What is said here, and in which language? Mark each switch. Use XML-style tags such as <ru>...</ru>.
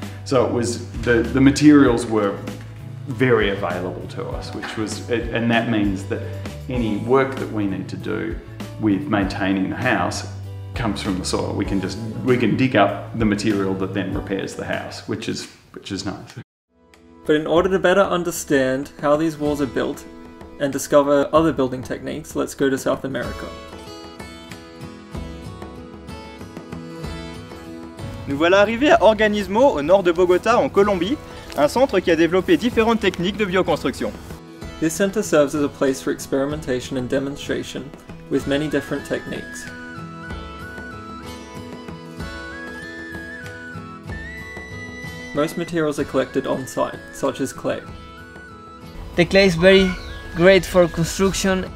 <en>So it was, the materials were very available to us, and that means that any work that we need to do with maintaining the house comes from the soil. We can dig up the material that then repairs the house, which is nice. But in order to better understand how these walls are built and discover other building techniques, let's go to South America.</en> <fr>Nous voilà arrivés à Organismo, au nord de Bogota, en Colombie, un centre qui a développé différentes techniques de bioconstruction.</fr> <en>This center serves as a place for experimentation and demonstration with many different techniques. Most materials are collected on site, such as clay. The clay is very great for construction.</en>